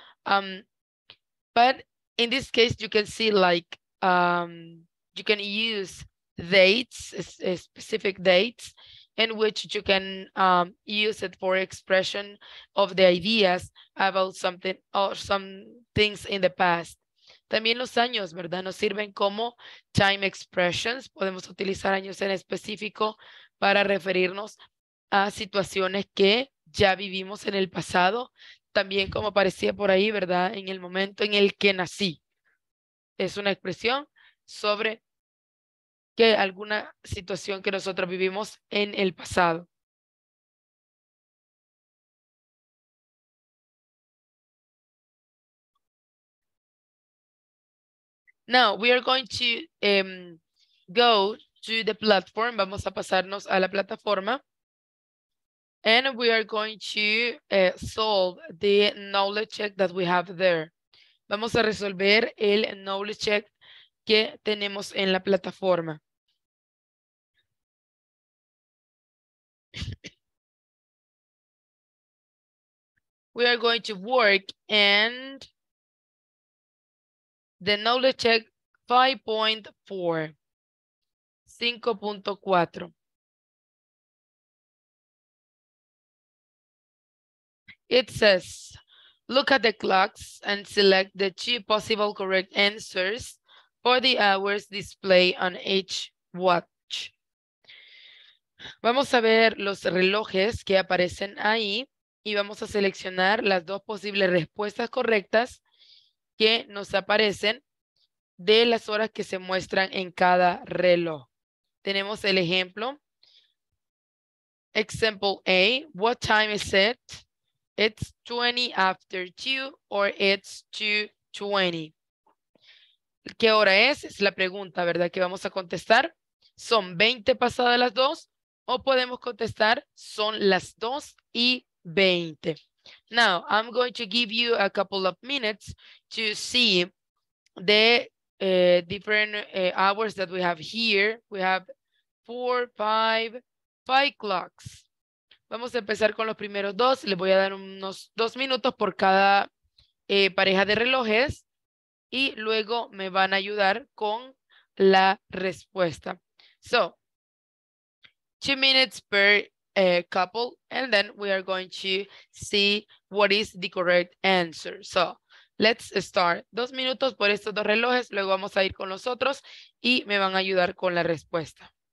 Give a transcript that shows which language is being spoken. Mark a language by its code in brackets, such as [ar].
[en] But in this case, you can see like you can use dates, specific dates, in which you can use it for expression of the ideas about something or some things in the past. [es] También los años, ¿verdad? Nos sirven como time expressions. Podemos utilizar años en específico para referirnos a situaciones que ya vivimos en el pasado. También como aparecía por ahí, ¿verdad? En el momento en el que nací. Es una expresión sobre que alguna situación que nosotros vivimos en el pasado. [en] Now, we are going to go to the platform. [es] Vamos a pasarnos a la plataforma. [en] And we are going to solve the knowledge check that we have there. [es] Vamos a resolver el knowledge check que tenemos en la plataforma. [en] We are going to work and the knowledge check 5.4. 5.4. It says, look at the clocks and select the two possible correct answers for the hours displayed on each watch. [es] Vamos a ver los relojes que aparecen ahí y vamos a seleccionar las dos posibles respuestas correctas que nos aparecen de las horas que se muestran en cada reloj. Tenemos el ejemplo. [en] Example A, what time is it? It's 20 after 2 or it's 2:20. [es] ¿Qué hora es? Es la pregunta, ¿verdad? Que vamos a contestar. Son 20 pasadas las 2. O podemos contestar, son las 2:20. [en] Now, I'm going to give you a couple of minutes to see the different hours that we have here. We have 4, 5 clocks. [es] Vamos a empezar con los primeros dos. Les voy a dar unos 2 minutos por cada pareja de relojes. Y luego me van a ayudar con la respuesta. [en] So, 2 minutes per couple, and then we are going to see what is the correct answer. So, let's start. [es] 2 minutos por estos dos relojes, luego vamos a ir con los otros y me van a ayudar con la respuesta.